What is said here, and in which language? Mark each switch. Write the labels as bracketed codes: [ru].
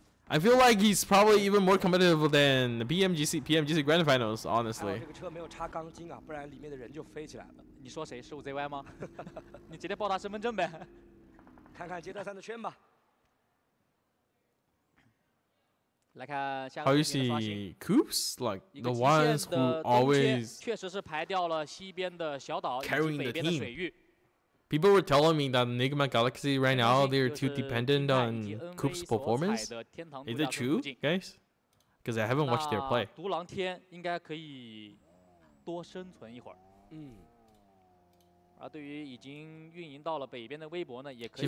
[en] I feel like he's probably even more competitive than the PMGC Grand Finals, honestly. [zh] 这个车没有插钢筋啊，不然里面的人就飞起来了。你说谁？是 ZY 吗？你直接报他身份证呗。看看阶段三的圈吧。来看下个 [en] How you see Coops? Like the ones who always [zh] 确实是排掉了西边的小岛以及北边的水域。 [en] People were telling me that Enigma Galaxy right now they're too dependent on Coops' performance. Is it true, guys? Because I haven't watched their play. [zh] 独狼天应该可以多生存一会儿。嗯。而对于已经运营到了北边的微博呢，也可以